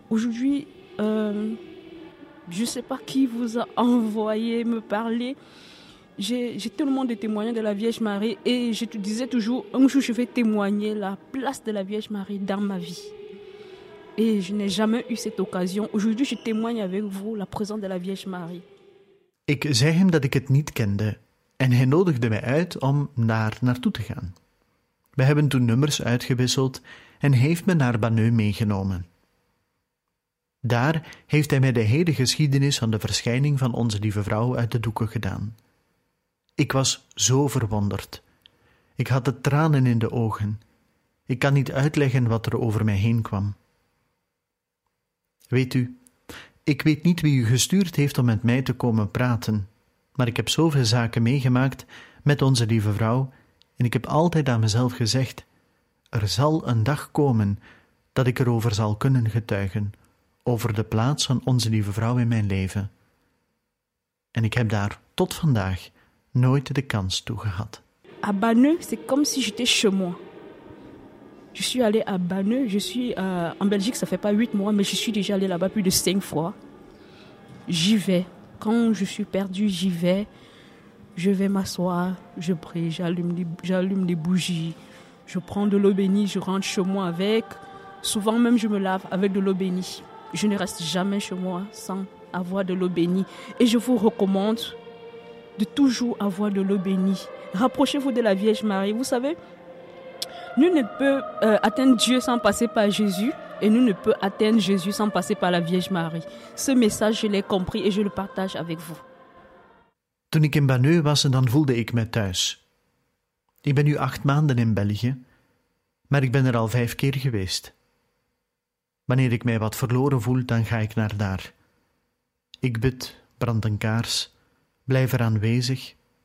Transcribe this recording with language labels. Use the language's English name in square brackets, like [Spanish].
[French] Aujourd'hui, je ne sais pas qui vous a envoyé me parler, J'ai tellement de témoignages de la Vierge Marie et je te disais toujours, un jour je vais témoigner la place de la Vierge Marie dans ma vie. Et je n'ai jamais eu cette occasion. Aujourd'hui, je témoigne avec vous la présence de la Vierge Marie. [Dutch] Ik zei hem dat ik het niet kende en hij nodigde mij uit om daar naartoe te gaan. We hebben toen nummers uitgewisseld en heeft me naar Banneu meegenomen. Daar heeft hij mij de hele geschiedenis van de verschijning van Onze Lieve Vrouw uit de doeken gedaan. Ik was zo verwonderd. Ik had de tranen in de ogen. Ik kan niet uitleggen wat er over mij heen kwam. Weet u, ik weet niet wie u gestuurd heeft om met mij te komen praten, maar ik heb zoveel zaken meegemaakt met Onze Lieve Vrouw en ik heb altijd aan mezelf gezegd, er zal een dag komen dat ik erover zal kunnen getuigen, over de plaats van Onze Lieve Vrouw in mijn leven. En ik heb daar tot vandaag nooit de kans toe gehad. [French] À Banneux, c'est comme si j'étais chez moi. Je suis allé à Banneux, je suis en Belgique, ça fait pas 8 mois, mais je suis déjà allé là-bas plus de 5 fois. J'y vais. Quand je suis perdu, j'y vais. Je vais m'asseoir, je prie, j'allume les bougies. Je prends de l'eau bénie, je rentre chez moi avec. Souvent même, je me lave avec de l'eau bénie. Je ne reste jamais chez moi sans avoir de l'eau bénie. Et je vous recommande de toujours avoir de l'eau bénie. Rapprochez-vous de la Vierge Marie. Vous savez, nous ne peut atteindre Dieu sans passer par Jésus. Et nous ne peut atteindre Jésus sans passer par la Vierge Marie. Ce message, je l'ai compris et je le partage avec vous. [Dutch] Toen ik in Banneux was, dan voelde ik me thuis. Ik ben nu 8 maanden in België, maar ik ben er al 5 keer geweest. Wanneer ik mij wat verloren voel, dan ga ik naar daar. Ik bid, brand een kaars, blijf er aanwezig.